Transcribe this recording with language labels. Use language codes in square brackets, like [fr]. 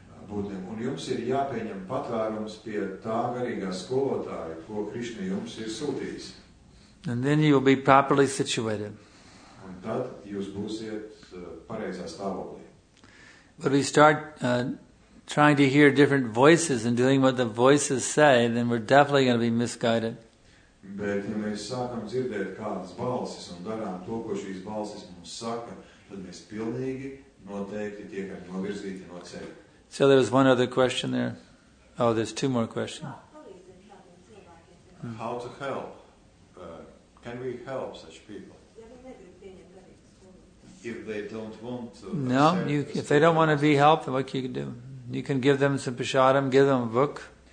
[lv] Un jums ir jāpieņem patvērums pie tā garīgā skolotāja, ko Krishna jums ir sūtījis. [en] And then you will be properly situated. [lv] Un tad jūs būsiet pareizā stāvoklī. [en] But we start trying to hear different voices and doing what the voices say, then we're definitely going to be misguided. [lv] Bet ja mēs sākam dzirdēt kādas balsis un darām to, ko šīs balsis mums saka, tad mēs pilnīgi noteikti tiekam novirzīti no ceļa. [en] So there was one other question there. Oh, there's two more questions. How to help? Can we help such people? If they don't want to... No, if they don't want to be helped, then what can you do? You can give them some prasadam, give them a book.